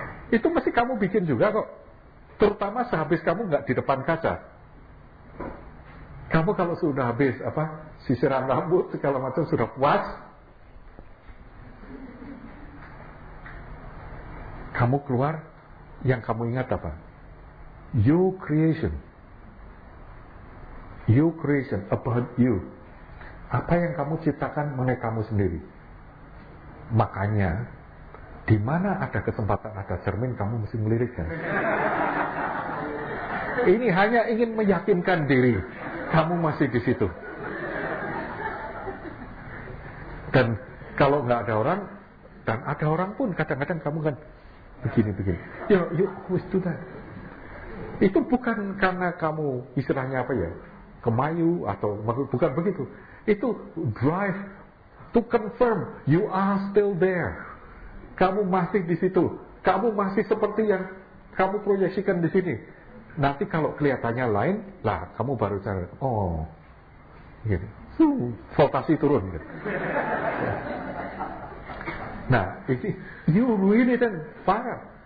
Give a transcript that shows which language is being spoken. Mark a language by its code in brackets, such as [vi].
[id] Itu mesti kamu bikin juga kok. Terutama sehabis kamu enggak di depan kaca. Kamu kalau sudah habis apa sisiran rambut segala macam sudah puas. Kamu keluar, yang kamu ingat apa? [en] Your creation. Your creation about you. [id] Apa yang kamu ciptakan mengenai kamu sendiri. Makanya, di mana ada kesempatan ada cermin, kamu mesti melirikkan. Ini hanya ingin meyakinkan diri, kamu masih di situ. Dan kalau nggak ada orang, dan ada orang pun kadang-kadang kamu kan begini-begini. Yuk, itu dah. Itu bukan karena kamu istilahnya apa ya, kemayu atau bukan begitu. Itu [en] drive to confirm you are still there. [id] Kamu masih di situ. Kamu masih seperti yang kamu proyeksikan di sini. Nanti kalau kelihatannya lain, lah kamu baru cari. Oh, gitu. Voltasi turun. Gitu. Nah, ini [en] you ruin it and fire.